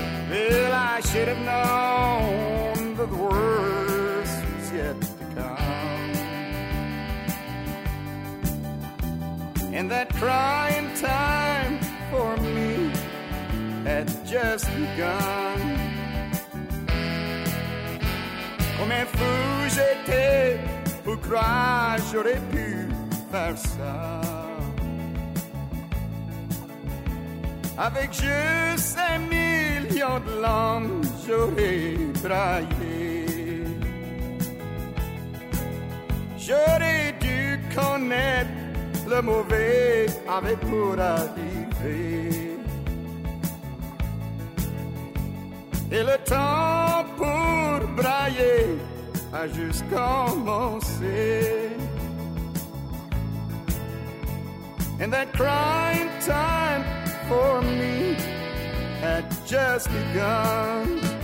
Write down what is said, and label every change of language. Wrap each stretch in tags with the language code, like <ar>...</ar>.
<en>Well, I should have known the word yet to come, and that crying time for me had just begun.</en> <fr>Comme fou j'étais pour croire j'aurais pu faire ça. Avec juste un million de larmes j'aurais braillé. J'aurais dû connaître le mauvais avec pour arriver. Et le temps pour brailler a juste commencé.</fr> <en>And that crying time for me had just begun.</en>